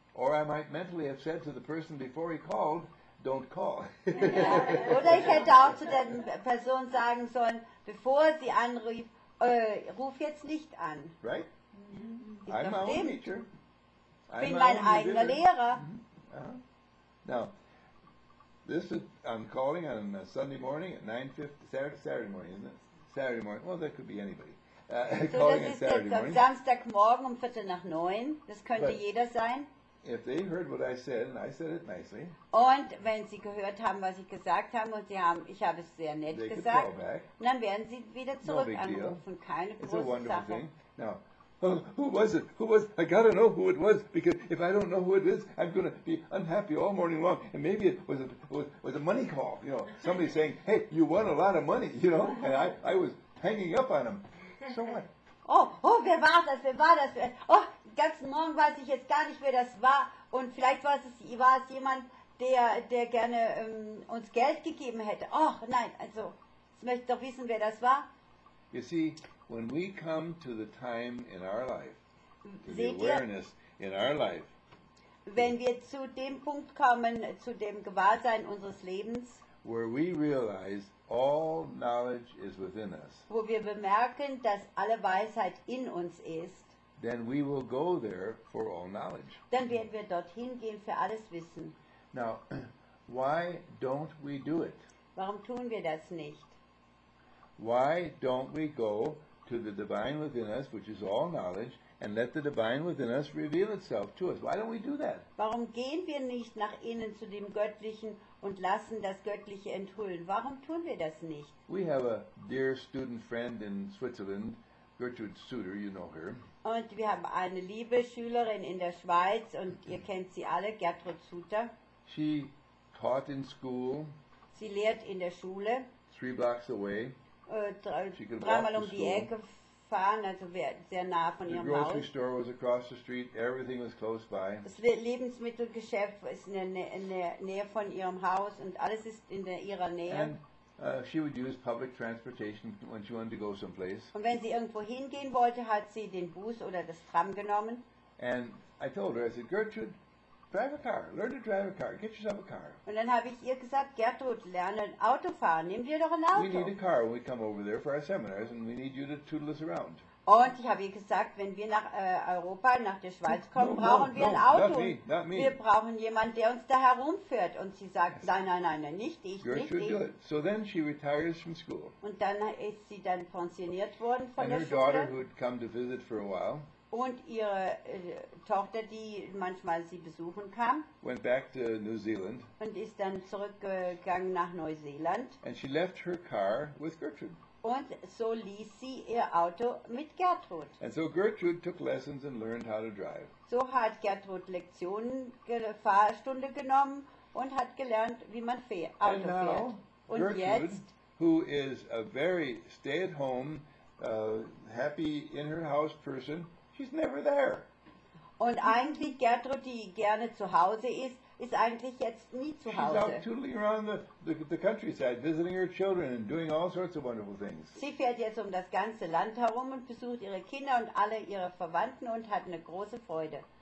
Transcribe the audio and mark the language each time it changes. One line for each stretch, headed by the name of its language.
English: Or I might mentally have said to the person before he called, don't call.
German: Ja. Oder ich hätte auch zu der Person sagen sollen, bevor sie anrief, ruf jetzt nicht an.
English: Right? Mm-hmm. I'm my own teacher.
German: Ich bin mein eigener Lehrer.
English: Now, this is, I'm calling on a Sunday morning at 9:50, Saturday morning, isn't it? Saturday morning, well, that could be anybody. Calling on Saturday morning.
German: So das ist jetzt Samstagmorgen um 8:45, das könnte jeder sein.
English: If they heard what I said, and I said it nicely.
German: Und wenn sie gehört haben, was ich gesagt habe, und sie haben, ich habe es sehr nett gesagt, dann werden sie wieder zurück anrufen. Keine große Sache.
English: It's a wonderful thing. Now, who was it? Who was it? I gotta know who it was, because if I don't know who it is, I'm gonna be unhappy all morning long. And maybe it was a money call, you know, somebody saying, hey, you won a lot of money, you know, and I was hanging up on him. So what?
German: Oh, wer war das? Wer war das? Oh, ganzen Morgen weiß ich jetzt gar nicht, wer das war. Und vielleicht war es jemand, der gerne uns Geld gegeben hätte. Oh, nein, also, ich möchte doch wissen, wer das war.
English: You see, when we come to the time in our life, to the awareness in our life,
German: wenn wir zu dem Punkt kommen, zu dem Gewahrsein unseres Lebens,
English: where we realize all knowledge is within us,
German: wo wir bemerken, dass alle Weisheit in uns ist,
English: then we will go there for all knowledge.
German: Dann werden wir dorthin gehen für alles Wissen.
English: Now, why don't we do it?
German: Warum tun wir das nicht?
English: Why don't we go to the divine within us, which is all knowledge, and let the divine within us reveal itself to us? Why don't we do that?
German: Warum gehen wir nicht nach innen zu dem Göttlichen und lassen das Göttliche enthüllen? Warum tun wir das nicht?
English: We have a dear student friend in Switzerland, Gertrude Suter, you know her.
German: Und wir haben eine liebe Schülerin in der Schweiz und ihr kennt sie alle, Gertrude Suter.
English: She taught in school.
German: Sie lehrt in der Schule.
English: Three blocks away.
German: Dreimal um die Ecke fahren, also sehr nah von ihrem Haus.
English: The grocery store was across the street. Everything was close by.
German: Das Lebensmittelgeschäft ist in der Nähe von ihrem Haus und alles ist in ihrer Nähe.
English: And she would use public transportation when she wanted to go someplace.
German: Und wenn sie irgendwo hingehen wollte, hat sie den Bus oder das Tram genommen.
English: And I told her, I said, Gertrude, drive a car. Learn to drive a car. Get yourself a car.
German: Und dann habe ich ihr gesagt, Gertrud, lerne Auto fahren. Nimm dir doch ein Auto.
English: We need a car when we come over there for our seminars, and we need you to tootle us around.
German: Und ich habe ihr gesagt, wenn wir nach Europa, nach der Schweiz kommen, brauchen wir ein Auto. Wir brauchen jemanden, der uns da herumführt. Und sie sagt, nein, nicht ich, Gertrude nicht ich.
English: So then she retires from school.
German: Und dann ist sie dann pensioniert worden von
English: and
German: der Schule.
English: Daughter, who'd come to visit for a while,
German: und ihre Tochter, die manchmal sie besuchen kam,
English: went back to New Zealand,
German: und ist dann zurückgegangen nach Neuseeland.
English: And she left her car with Gertrude.
German: Und so ließ sie ihr Auto mit Gertrud.
English: And so Gertrude took lessons and learned how to drive.
German: So hat Gertrud Lektionen, Fahrstunde genommen und hat gelernt, wie man Auto
English: and
German: fährt.
English: Now,
German: und Gertrude, jetzt,
English: who is a very stay-at-home, happy in her house person, she's never there.
German: Und eigentlich Gertrud, die gerne zu Hause ist, ist eigentlich jetzt nie zu Hause.
English: She's out tooling around the countryside, visiting her children and doing all sorts of wonderful things.
German: Sie fährt jetzt um das ganze Land herum und besucht ihre Kinder und alle ihre Verwandten und hat eine große Freude.